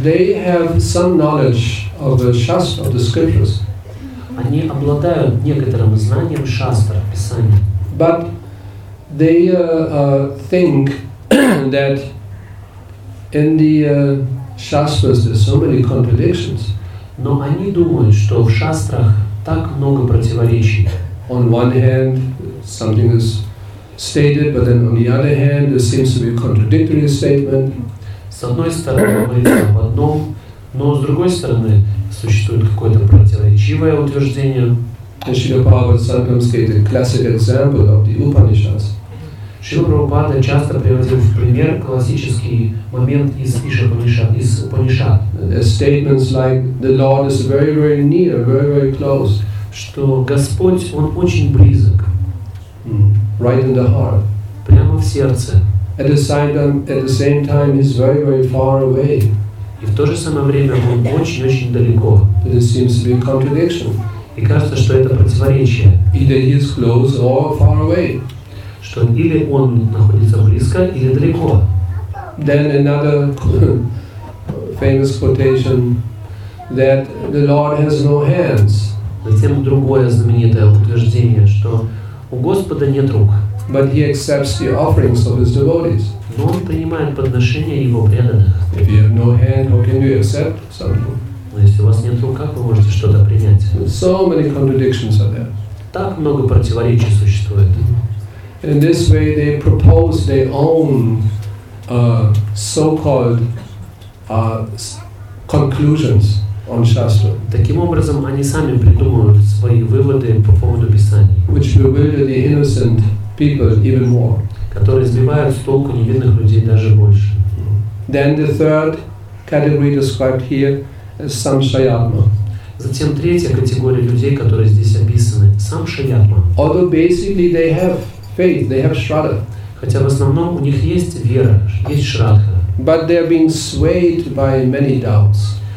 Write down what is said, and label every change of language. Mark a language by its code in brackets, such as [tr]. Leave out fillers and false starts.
[en] They have some knowledge of the Shastra, of the scriptures. [ru] Они обладают некоторым знанием Шастра, Писания. [en] But they think that in the Shastras there are so many contradictions. [ru] Но они думают, что в Шастрах так много противоречий. [en] On one hand, something is stated, but then on the other hand, there seems to be a contradictory statement. [ru] С одной стороны, мы об одном, но с другой стороны, существует какое-то противоречивое утверждение. [en] Шрила Прабхупада sometimes gave a classic example of the Upanishads. [ru] Шрила Прабхупада часто приводил в пример классический момент из Упанишад. [en] There are statements like the Lord is very, very near, very, very close. [ru] Что Господь, Он очень близок. [en] Right in the heart. [ru] Прямо в сердце. [en] At the same time, He's very, very far away. [ru] И в то же самое время Он очень-очень далеко. [en] But it seems to be a contradiction. [ru] И кажется, что это противоречие. [en] Either He's close or far away. [ru] Что или Он находится близко, или далеко. [en] Then another famous quotation that the Lord has no hands. [ru] Затем другое знаменитое утверждение, что у Господа нет рук. [en] But He accepts the offerings of His devotees. [ru] Но Он принимает подношения Его преданных. [en] If you have no hand, how can you accept something? [ru] Но если у вас нет рук, как вы можете что-то принять? [en] So many contradictions are there. [ru] Так много противоречий существует. [en] In this way, they propose their own so-called conclusions on Shastra. [ru] Таким образом, они сами придумывают свои выводы по поводу Писаний. [en] Which bewilder the innocent people even more. [ru] Которые сбивают с толку невинных людей даже больше. [en] Then the third category described here is Samshayatma. [ru] Затем третья категория людей, которые здесь описаны, Samshayatma. [en] Although basically they have faith, they have Shraddha. [ru] Хотя в основном у них есть вера, есть Шрадха. [en] But they are being swayed by many doubts.